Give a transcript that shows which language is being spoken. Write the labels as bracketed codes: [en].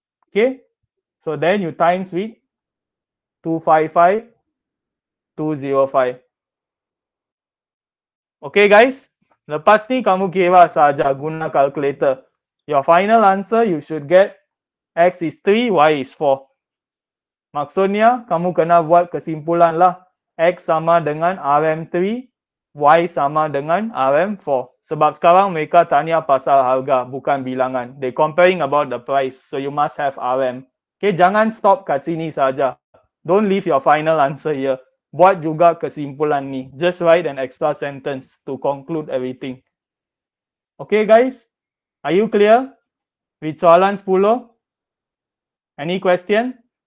[en] Okay, so then you times with 255, 205. [ms] Okay guys, lepas ni kamu kira sahaja guna calculator. [en] Your final answer you should get X is 3, Y is 4. [ms] Maksudnya kamu kena buat kesimpulan lah. X sama dengan RM3, Y sama dengan RM4. Sebab sekarang mereka tanya pasal harga, bukan bilangan. [en] They comparing about the price, so you must have RM. [ms] Okay, jangan stop kat sini saja. [en] Don't leave your final answer here. [ms] Buat juga kesimpulan ni. [en] Just write an extra sentence to conclude everything. Okay guys, are you clear with soalan 10? Any question?